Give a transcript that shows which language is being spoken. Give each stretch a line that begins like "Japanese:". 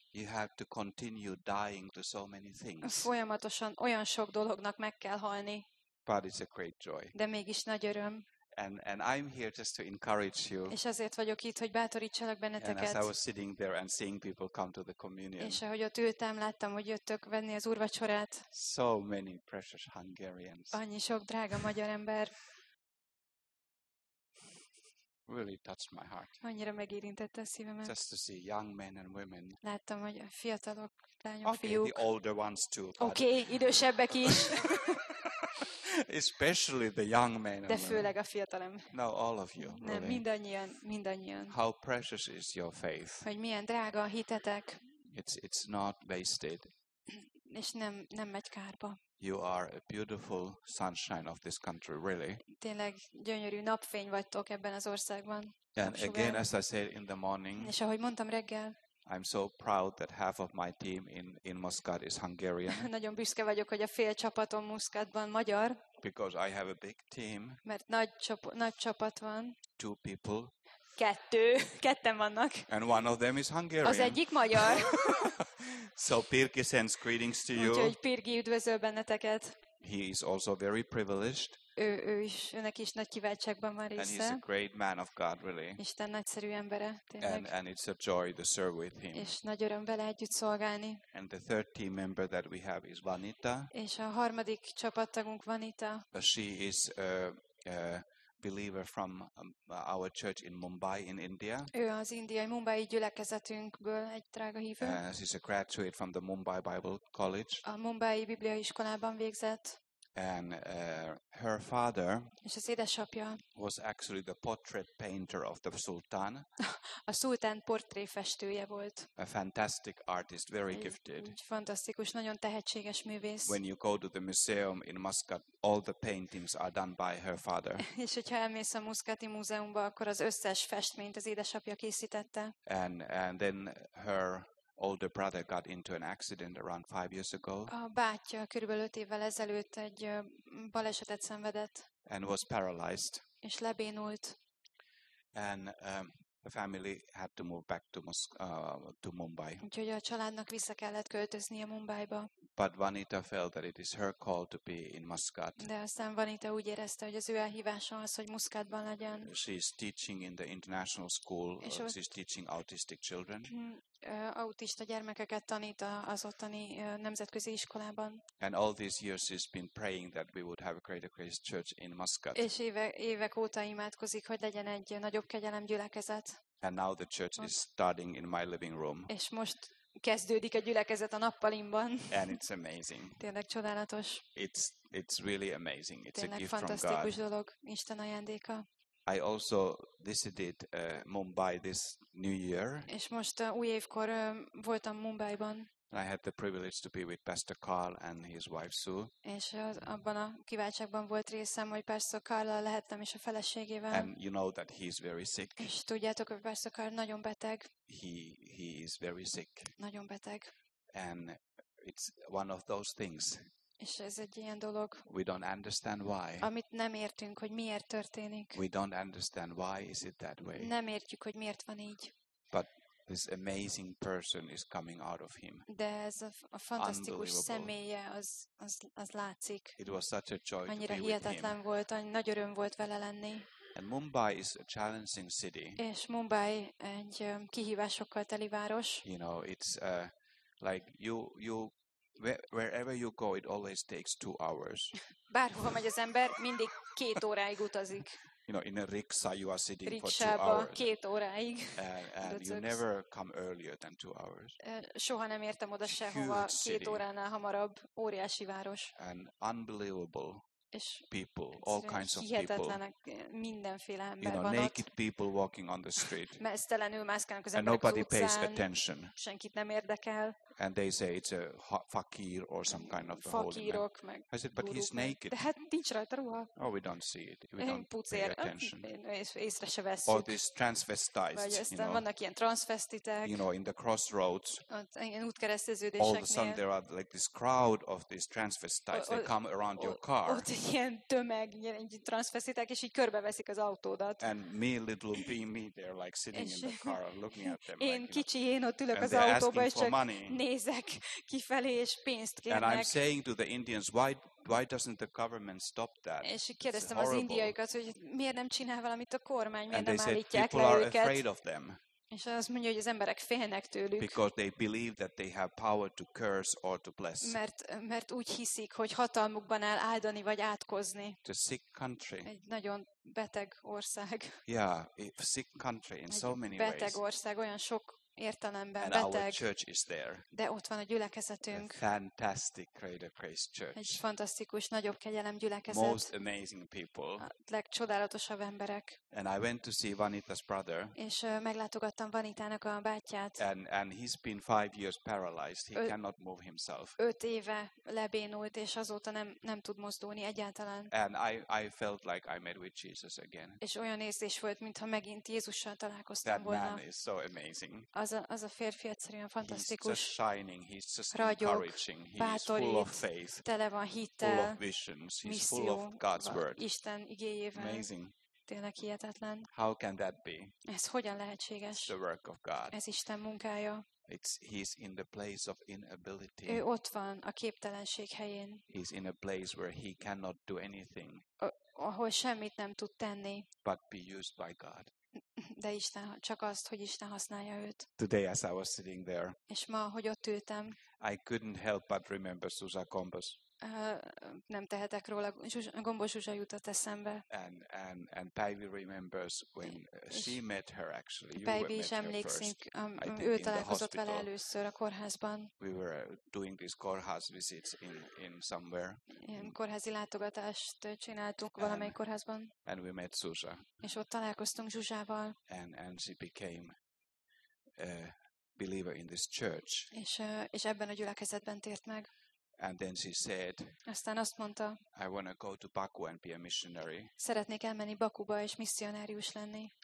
English: You have to continue dying to so many things.
Hungarian: Folyamatosan olyan sok dolognak meg kell halni.
English: But it's a great joy.
Hungarian: De mégis nagy öröm.
English: And I'm here just to encourage you.
Hungarian: És azért vagyok itt, hogy bátorítsalak benneteket.
English: And as I was sitting there and seeing people come to the communion.
Hungarian: És ahogy ott ültem, láttam, hogy jöttök venni az úrvacsorát.
English: So many precious Hungarians.
Hungarian: Annyi sok drága magyar ember.
English: Really touched my heart.
Hungarian: Annyira megérintette a szívemet.
English: Just to see young men and women.
Hungarian: Láttam, hogy fiatalok, lányok, okay, fiúk.
English: The older ones too.
Hungarian: Okay, idősebbek is.
English: Especially the young men.
Hungarian: De főleg a fiatalem.
English: No, all of you.
Hungarian: Nem,
English: really.
Hungarian: Mindannyian, mindannyian.
English: How precious is your faith?
Hungarian: Hogy milyen drága a hitetek.
English: It's not wasted.
Hungarian: És nem megy kárba.
English: You are a beautiful sunshine of this country, really.
Hungarian: Tényleg gyönyörű napfény vagytok ebben az országban.
English: And again, as I said in the morning.
Hungarian: És ahogy mondtam reggel.
English: I'm so proud that half of my team in Muscat is Hungarian.
Hungarian: Nagyon büszke vagyok, hogy a fél csapatom Muscatban magyar.
English: Because I have a big team.
Hungarian: Mert nagy csapat van.
English: Two people.
Hungarian: Ketten vannak.
English: And one of them is Hungarian.
Hungarian: Az egyik magyar.
English: So Pirki sends greetings to you.
Hungarian: Úgyhogy Pirki üdvözöl benneteket.
English: He is also very privileged.
Hungarian: Ő is, önnek is nagy kiváltságban van része.
English: And he's a great man of God, really.
Hungarian: Isten nagyszerű embere, tényleg.
English: And it's a joy to serve with him.
Hungarian: És nagy öröm vele együtt szolgálni.
English: And the third team member that we have is Vanita.
Hungarian: És a harmadik csapattagunk Vanita.
English: She is a believer from our church in Mumbai in India.
Hungarian: Ő az indiai Mumbai gyülekezetünkből egy drága hívő.
English: She's a graduate from the Mumbai Bible College.
Hungarian: A Mumbai Biblia iskolában végzett.
English: And her father
Hungarian: és az édesapja
English: was actually the portrait painter of the sultan.
Hungarian: A szultán portréfestője volt.
English: A fantastic artist, very gifted.
Hungarian: Egy fantasztikus, nagyon tehetséges művész.
English: When you go to the museum in Muscat, all the paintings are done by her father.
Hungarian: És hogyha elmész a muscati múzeumba, akkor az összes festményt az édesapja készítette.
English: And then her older brother got into an accident around 5 years ago.
Hungarian: A bátyja körülbelül 5 évvel ezelőtt egy balesetet szenvedett.
English: And was paralyzed.
Hungarian: És lebénult.
English: And the family had to move back to Mumbai.
Hungarian: Úgyhogy a családnak vissza kellett költözni a Mumbaiba.
English: But Vanita felt that it is her call to be in Muscat.
Hungarian: De aztán Vanita úgy érezte, hogy az ő elhívása az, hogy Muscatban legyen.
English: She is teaching in the international school. She is teaching autistic children.
Hungarian: Autista gyermekeket tanít az ottani nemzetközi iskolában.
English: And all these years he's been praying that we would have a greater grace church in Muscat.
Hungarian: És évek óta imádkozik, hogy legyen egy nagyobb kegyelem gyülekezet.
English: And now the church is starting in my living room.
Hungarian: És most kezdődik a gyülekezet a nappalimban.
English: And it's amazing.
Hungarian: Tényleg csodálatos.
English: It's really amazing. It's
Hungarian: tényleg
English: a gift
Hungarian: fantasztikus
English: from God.
Hungarian: Fantasztikus dolog, Isten ajándéka.
English: I also visited Mumbai this New Year.
Hungarian: És most új évkor voltam Mumbaiban.
English: I had the privilege to be with Pastor Carl and his wife Sue.
Hungarian: És abban a kiváltságban volt részem, hogy Pastor Carl-lal lehettem és a feleségével.
English: And you know that he is very sick.
Hungarian: És tudjátok, hogy Pastor Carl nagyon beteg.
English: He is very sick.
Hungarian: Nagyon beteg.
English: And it's one of those things.
Hungarian: És ez egy ilyen dolog.
English: We don't understand why.
Hungarian: Amit nem értünk, hogy miért történik.
English: We don't understand why is it that way.
Hungarian: Nem értjük, hogy miért van így.
English: But this amazing person is coming out of him.
Hungarian: De ez a fantasztikus személye az látszik.
English: It was such a joy.
Hungarian: Annyira hihetetlen volt, nagy öröm volt vele lenni.
English: And Mumbai is a challenging city.
Hungarian: És Mumbai egy kihívásokkal teli város.
English: You know, it's like you wherever you go, it always takes 2 hours.
Hungarian: Bárhova megy az ember, mindig 2 óráig utazik.
English: You know, in a riksa, you are sitting Riksába for 2 hours.
Hungarian: 2 óráig.
English: And you never come earlier than 2 hours.
Hungarian: Soha nem értem oda sehova 2 óránál hamarabb. Óriási város.
English: And unbelievable people, all kinds of people.
Hungarian: Hihetetlenek, mindenféle ember van ott.
English: You know, naked people walking on the street.
Hungarian: Mesztelenül mászkálnak az emberek az utcán.
English: And nobody pays attention.
Hungarian: Senkit nem érdekel.
English: And they say it's a fakir or some kind of a holy man.
Hungarian: Meg
English: I said, but he's naked.
Hungarian: De hát nincs rajta ruha.
English: Oh, we don't see it. We don't pay attention.
Hungarian: Észre se veszük.
English: Or these transvestites, you know.
Hungarian: Vannak ilyen transvestitek.
English: You know, in the crossroads.
Hungarian: Ilyen útkereszteződéseknél.
English: All of a sudden there are like this crowd of these transvestites. They come around your car.
Hungarian: Ott ilyen tömeg, ilyen transvestitek, és így körbeveszik az autódat.
English: And me, little me, they're like sitting in the car looking at them.
Hungarian: Én kicsi én ott ülök az autóba, és csak nézek kifelé, és pénzt kérnek.
English: And I'm saying to the Indians, why doesn't the government stop that?
Hungarian: És kérdeztem az indiaikat, hogy miért nem csinál valamit a kormány, miért
English: and
Hungarian: nem állítják
English: said,
Hungarian: le őket.
English: Afraid of them.
Hungarian: És azt mondja, hogy az emberek félnek tőlük.
English: Because they believe that they have power to curse or to bless.
Hungarian: Mert úgy hiszik, hogy hatalmukban áll áldani vagy átkozni.
English: It's a sick country.
Hungarian: Egy nagyon beteg ország.
English: Yeah, a sick country in
Hungarian: egy
English: so many
Hungarian: beteg
English: ways.
Hungarian: Beteg ország, olyan sok értelemben
English: and
Hungarian: beteg,
English: our church is there.
Hungarian: De ott van a gyülekezetünk.
English: A fantastic Greater Grace Church.
Hungarian: Egy fantasztikus nagyobb kegyelem gyülekezet.
English: Most amazing people.
Hungarian: A legcsodálatosabb emberek.
English: And I went to see Vanita's brother.
Hungarian: És meglátogattam Vanitának a bátyját.
English: And he's been 5 years paralyzed. He cannot move himself.
Hungarian: 5 éve lebénult, és azóta nem tud mozdulni egyáltalán.
English: And I felt like I met with Jesus again.
Hungarian: És olyan érzés volt, mintha megint Jézussal találkoztam volna.
English: That man is so amazing.
Hungarian: Az a férfi egyszerűen fantasztikus.
English: He's just shining, he's just
Hungarian: ragyog,
English: encouraging, he's full of faith,
Hungarian: tele van hittel,
English: full of visions, he's
Hungarian: misszió,
English: full of God's word.
Hungarian: Isten igéjével.
English: Amazing.
Hungarian: Tényleg hihetetlen.
English: How can that be?
Hungarian: Ez hogyan lehetséges?
English: It's the work of God.
Hungarian: Ez Isten munkája.
English: He's in the place of inability.
Hungarian: Ő ott van a képtelenség helyén.
English: He's in a place where he cannot do anything.
Hungarian: Ahol semmit nem tud tenni.
English: But be used by God.
Hungarian: De Isten, csak azt, hogy Isten használja őt.
English: Today as I was sitting there.
Hungarian: És ma, hogy ott ültem.
English: I couldn't help but remember Zsuzsa Gombos.
Hungarian: Nem tehetek róla, Gombos Zsuzsa jutott eszembe.
English: And Päivi remembers when she met her actually.
Hungarian: Päivi is emlékszik, ő találkozott vele először a kórházban.
English: We were doing these kórház visits in somewhere.
Hungarian: Ilyen kórházi látogatást csináltunk valamelyik kórházban.
English: And we met Zsuzsa.
Hungarian: És ott találkoztunk Zsuzsával.
English: And she became a believer in this church.
Hungarian: És ebben a gyülekezetben tért meg.
English: And then she said,
Hungarian: aztán azt mondta,
English: I want to go to Baku and be a missionary.
Hungarian: Szeretnék elmenni Bakuba és misszionárius lenni.